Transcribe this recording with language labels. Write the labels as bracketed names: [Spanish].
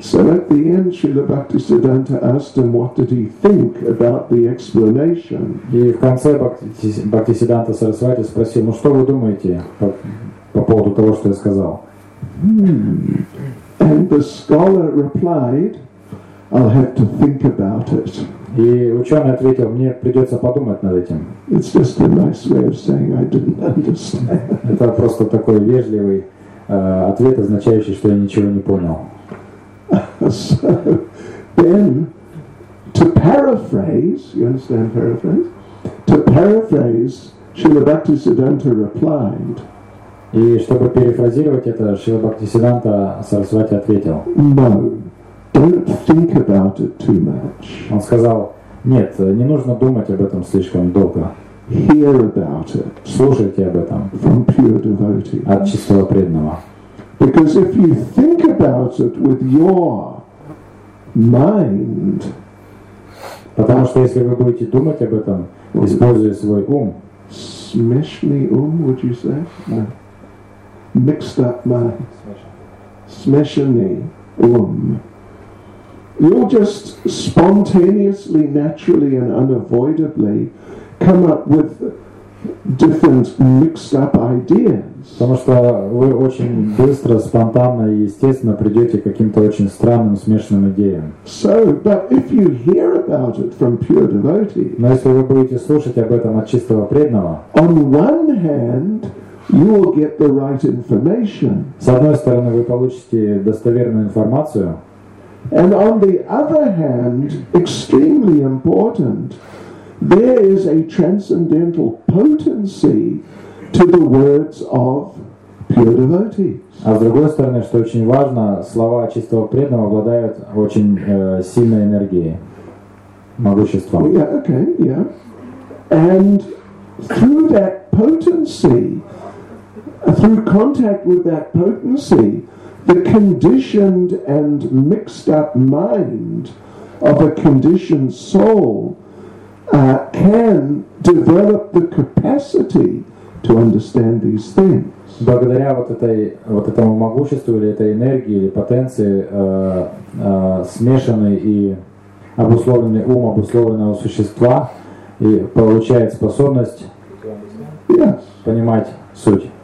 [English] So at the end, Srila Bhaktisiddhanta asked him, what did he think about the explanation? [Russian] И в конце Бхактисиддханта Сарасвати спросил, что вы думаете по поводу того, что я сказал? [English] And the scholar replied, I'll have to think about it. [Russian] И ученый ответил, мне придется подумать над этим. [English] It's just a nice way of saying I didn't understand. [Russian] Это просто такой вежливый ответ, означающий, что я ничего не понял. [English] So, then, to paraphrase, you understand paraphrase? To paraphrase, Srila Bhaktisiddhanta replied. [Russian] И чтобы перефразировать это, Шрила Бхактисиддханта Сарасвати ответил. [English] No. Don't think about it too much. [Russian] Он сказал, нет, не нужно думать об этом слишком долго. [English] Hear about it. [Russian] Слушайте об этом. [English] From pure devotees. [Russian] От чистого преданного. [English] Because if you think about it with your mind, [Russian] потому что если вы будете думать об этом, используя свой ум, [English] smishly ум, would you say? No. Mixed up mind. [Russian] Smishly ум. [English] You'll just spontaneously, naturally, and unavoidably come up with different mixed-up ideas. [Russian] Потому что вы очень быстро, спонтанно и естественно придете к каким-то очень странным, смешанным идеям. [English] So, but if you hear about it from pure devotees, [Russian] но если вы будете слушать об этом от чистого преданного, [English] on one hand, you will get the right information. [Russian] С одной стороны, вы получите достоверную информацию. [English] And on the other hand, extremely important, there is a transcendental potency to the words of pure devotees. [Russian] А с другой стороны, что очень важно, слова чистого преданного обладают очень сильной энергией, могуществом. [English] Yeah, okay, yeah. And through that potency, through contact with that potency, the conditioned and mixed up mind of a conditioned soul can develop the capacity to understand these things. [Russian] Благодаря вот этой вот этому могуществу или этой энергии или потенции смешанной и обусловленной ум обусловленного существа и получает способность понимать суть.